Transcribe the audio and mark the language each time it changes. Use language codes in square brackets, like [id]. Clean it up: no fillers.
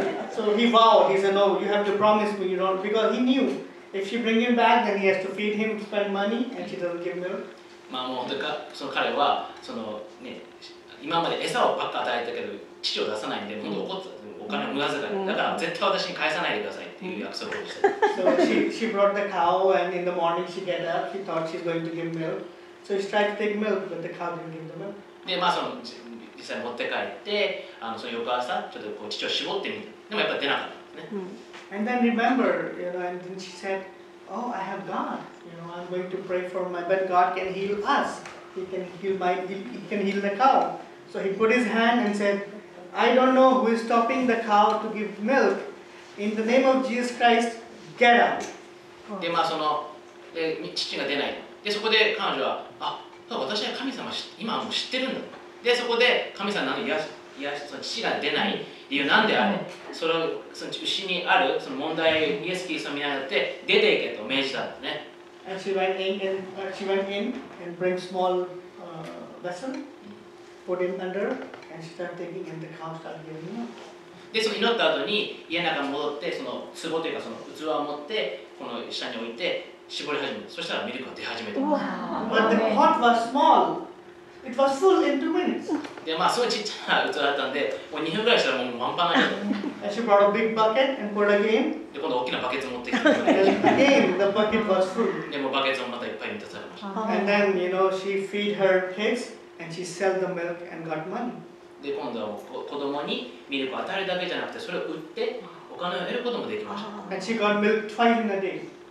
[en] So he vowed, he said, no, you have to promise me, you know, because he knew. If she bring him back, then he has to feed him, spend money, and she doesn't give milk. [ja] まあ、もう本当か、その彼はそのね、今まで餌をばっか与えたけど乳を出さないんで、本当怒った、お金を無駄遣い、だから絶対私に返さないでくださいっていう約束をして。 [en] So she brought the cow, and in the morning she get up, she thought she's going to give milk. So she tried to take milk, but the cow didn't give the milk. [ja] で、まあ、その実際持って帰って、あのその翌朝ちょっとこう乳を絞ってみた。でもやっぱ出なかったですね。 [en] And then remember, you know, and then she said, oh, I have God, you know, I'm going to pray for my, but God can heal us. He can heal he can heal the cow. So he put his hand and said, I don't know who is stopping the cow to give milk. In the name of Jesus Christ, get up. [ja] で、まあ、その、で、父が出ない。で、そこで彼女は、あ、私は神様、今はもう知ってるんだ。で、そこで神様、なんか癒し、その父が出ない。理由なんであれ、その牛にあるその問題をイエス・キリストを見習って出て行けと命じたんですね。 [en] And she went in and bring small vessel, put him under, and she started taking him, the cow started giving him. [ja] で、その祈った後に家の中に戻って、その壺というかその器を持ってこの下に置いて絞り始める。そしたらミルクが出始めた。 [en] Wow. But the pot was small. It was full in 2 minutes. [ja] まあ、すごいちっちゃな器だったんで、もう2分ぐらいしたらもう満杯ないと。 [en] And she brought a big bucket and put again. [ja] で、今度大きなバケツ持ってきた。 [en] Again, the bucket was full. [ja] で、もうバケツもまたいっぱい満たされました。 [en] And then, you know, she feed her pigs and she sell the milk and got money. [ja] で、今度は子供にミルクを与えるだけじゃなくて、それを売ってお金を得ることもできました。 [en] And she got milk twice in a day.